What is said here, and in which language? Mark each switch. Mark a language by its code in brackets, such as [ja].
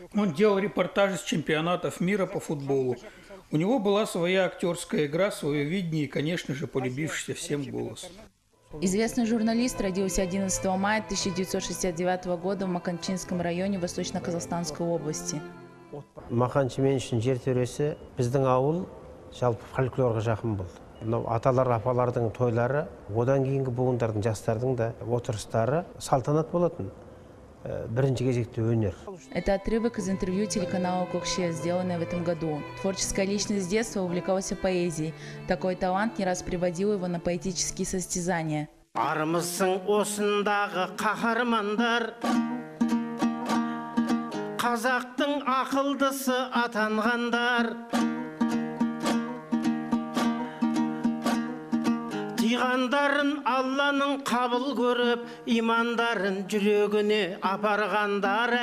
[ru] Он делал репортажи с чемпионатов мира по футболу. У него была своя актерская игра, свое видение и, конечно же, полюбившийся всем голос. Известный журналист родился 11 мая 1969 года в Маханчинском районе Восточно-Казахстанской области. [kk] Маханчинский жертвуресе, біздің ауыл, жалпы фольклорға жақын болды. Аталар, апалардың тойлары, одан кейінгі буындардың, жастардың да отырыстары салтанат болатын. Бірінші кезекте өнер. [ru] Это отрывок из интервью телеканала «Кокше», сделанное в этом году. Творческая личность с детства увлекалась поэзией. Такой талант не раз приводил его на поэтические состязания. [kk] Армысың осындағы қаһармандар, қазақтың ақылдысы атанғандар. Иғандарын Алланың қабыл көріп, имандарын жүрегіне апарғандар.